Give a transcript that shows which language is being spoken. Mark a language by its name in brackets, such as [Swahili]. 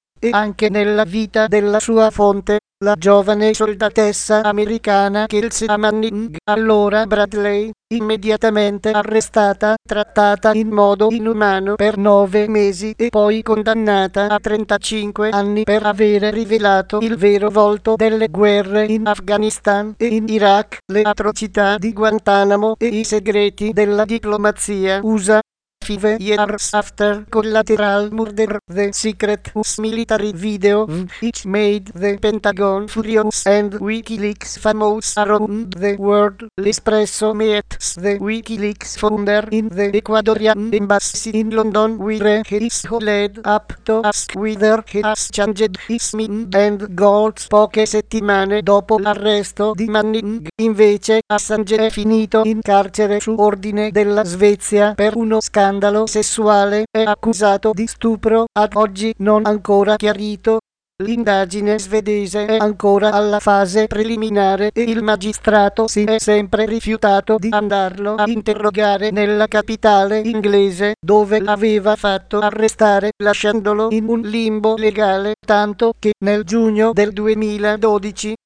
[Italian] e anche nella vita della sua fonte, la giovane soldatessa americana Kelsey Manning, allora Bradley, immediatamente arrestata, trattata in modo inumano per 9 mesi e poi condannata a 35 anni per avere rivelato il vero volto delle guerre in Afghanistan e in Iraq, le atrocità di Guantanamo e i segreti della diplomazia USA. [English] 5 years after collateral murder, the secret US military video which made the Pentagon furious and Wikileaks famous around the world, L'Espresso meets the Wikileaks founder in the Ecuadorian embassy in London, where he is led up to ask whether he has changed his mind and goals. [Italian] Poche settimane dopo l'arresto di Manning, invece, Assange è finito in carcere su ordine della Svezia per uno scandalo sessuale, è accusato di stupro, ad oggi non ancora chiarito. L'indagine svedese è ancora alla fase preliminare e il magistrato si è sempre rifiutato di andarlo a interrogare nella capitale inglese, dove l'aveva fatto arrestare, lasciandolo in un limbo legale, tanto che nel giugno del 2012